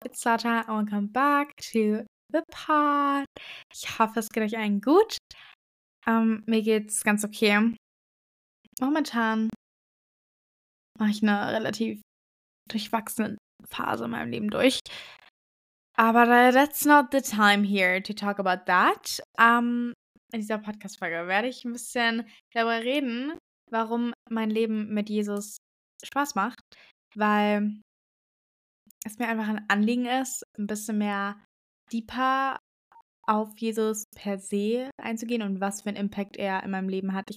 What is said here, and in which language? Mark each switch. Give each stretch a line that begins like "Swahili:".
English: It's Sata and welcome back to the pod.
German: Ich hoffe, es geht euch allen gut. Mir geht's ganz okay. Momentan mache ich eine relativ durchwachsene Phase in meinem Leben durch. Aber
English: that's not the time here to talk about that.
German: In dieser Podcast-Folge werde ich ein bisschen darüber reden, warum mein Leben mit Jesus Spaß macht, weil es mir einfach ein Anliegen ist, ein bisschen mehr deeper auf Jesus per se einzugehen und was für einen Impact er in meinem Leben hat.